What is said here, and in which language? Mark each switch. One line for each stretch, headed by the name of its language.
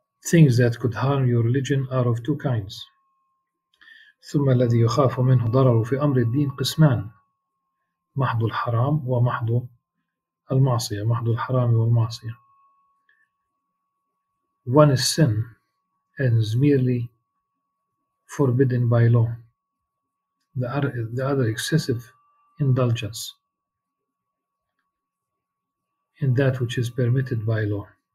English: Things that could harm your religion are of two kinds.
Arabic: ثم الذي يخاف منه ضرر في أمر الدين قسمان. محض الحرام ومحض المعصية. محض الحرام والمعصية.
English: One is sin and is merely forbidden by law. The other excessive indulgence in that which is permitted by law.